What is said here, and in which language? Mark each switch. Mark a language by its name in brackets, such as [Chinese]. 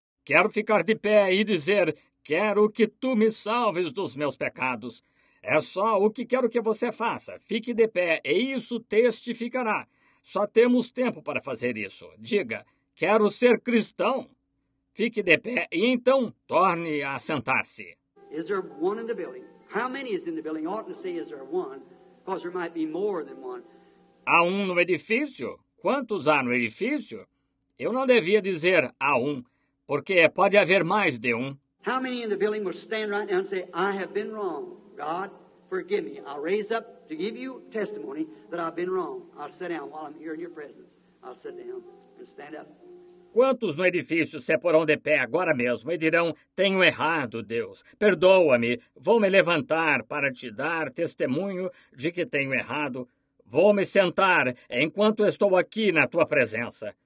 [Portuguese] Quero ficar de pé e dizer, quero que tu me salves dos meus pecados. É só o que quero que você faça. Fique de pé e isso testificará. Só temos tempo para fazer isso. Diga, quero ser cristão. Fique de pé e então torne a sentar-se. [English] Is there one in the building? How many is in the building? Ought to say, is there one? Because there might be more than one. [Portuguese] Há um no edifício? Quantos há no edifício? Eu não devia dizer há um, porque pode haver mais de um. [English] How many in the building will stand right now and say, I have been wrong. God, forgive me. I'll raise up to give you testimony that I've been wrong. I'll sit down while I'm here in your presence. I'll sit down and stand up. [Portuguese] Quantos no edifício se porão de pé agora mesmo e dirão, tenho errado, Deus, perdoa-me, vou me levantar para te dar testemunho de que tenho errado. Vou me sentar enquanto estou aqui na tua presença.